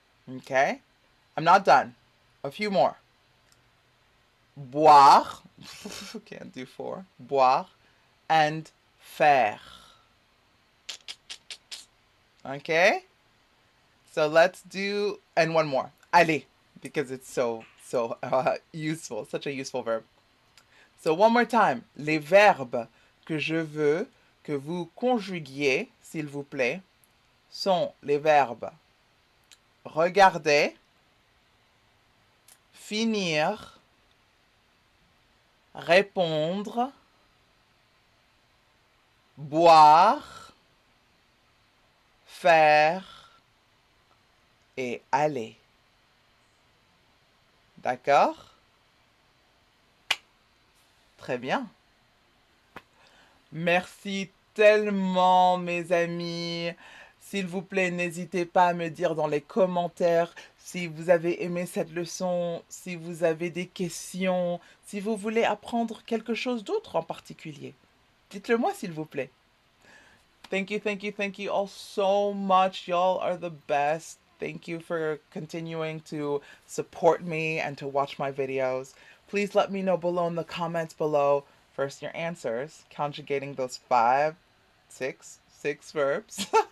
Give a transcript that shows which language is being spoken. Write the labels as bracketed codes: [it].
[en] Okay? I'm not done. A few more. Boire. Can't do four. Boire and faire. Okay, so let's do, and one more, aller, because it's so useful, such a useful verb. So one more time, [fr] les verbes que je veux que vous conjuguiez, s'il vous plaît, sont les verbes regarder, finir, répondre, boire, faire et aller. D'accord? Très bien. Merci tellement, mes amis. S'il vous plaît, n'hésitez pas à me dire dans les commentaires si vous avez aimé cette leçon, si vous avez des questions, si vous voulez apprendre quelque chose d'autre en particulier. Dites-le-moi, s'il vous plaît. [en] Thank you, thank you, thank you all so much. Y'all are the best. Thank you for continuing to support me and to watch my videos. Please let me know below in the comments below. First, your answers, conjugating those six verbs.